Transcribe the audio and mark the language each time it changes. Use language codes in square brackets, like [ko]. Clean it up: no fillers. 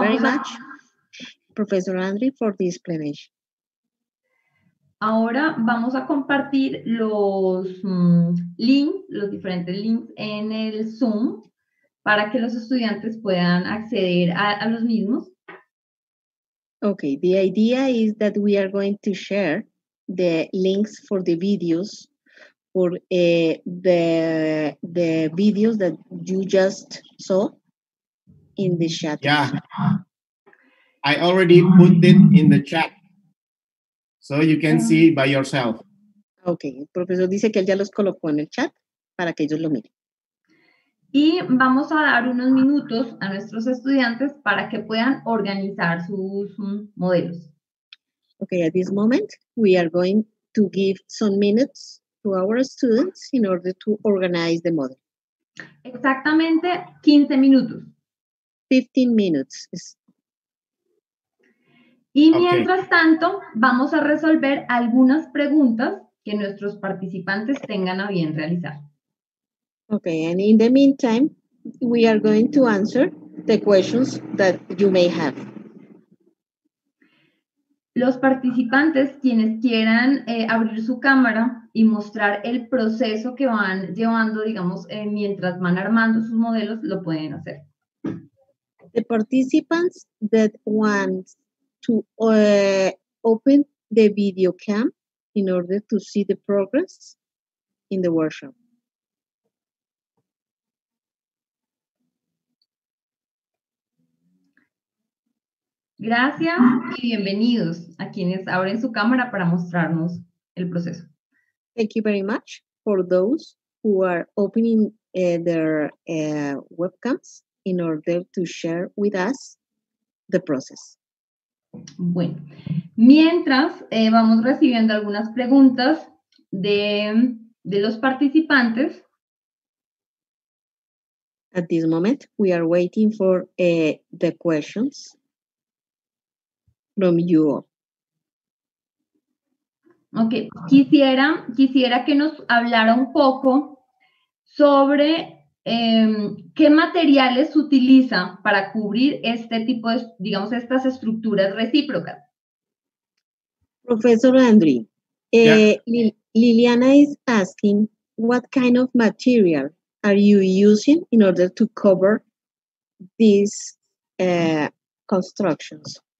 [en] thank you very much, profesor Andri, for the explanation. [es] Ahora vamos a compartir los links, los diferentes links en el Zoom para que los estudiantes puedan acceder a los mismos. [en] Okay, the idea is that we are going to share the links for the videos, for the videos that you just saw in the chat. Yeah, I already put it in the chat, so you can see by yourself. [es] Okay, el profesor dice que él ya los colocó en el chat para que ellos lo miren. Y vamos a dar unos minutos a nuestros estudiantes para que puedan organizar sus modelos. [en] Okay, at this moment, we are going to give some minutes to our students in order to organize the model. [es] Exactamente 15 minutos. [en] 15 minutes. [es] Y mientras okay. tanto, vamos a resolver algunas preguntas que nuestros participantes tengan a bien realizar. [en] Okay, and in the meantime, we are going to answer the questions that you may have. [es] Los participantes, quienes quieran abrir su cámara y mostrar el proceso que van llevando, digamos, mientras van armando sus modelos, lo pueden hacer. [en] The participants that want to open the video cam in order to see the progress in the workshop. [es] Gracias y bienvenidos a quienes abren su cámara para mostrarnos el proceso. [en] Thank you very much for those who are opening their webcams in order to share with us the process. [es] Bueno, mientras vamos recibiendo algunas preguntas de los participantes. [en] At this moment, we are waiting for the questions. From you. [es] Okay, quisiera que nos hablara un poco sobre qué materiales utiliza para cubrir este tipo de, digamos, estas estructuras recíprocas. [en] Professor Andri, Liliana is asking, what kind of material are you using in order to cover these constructions?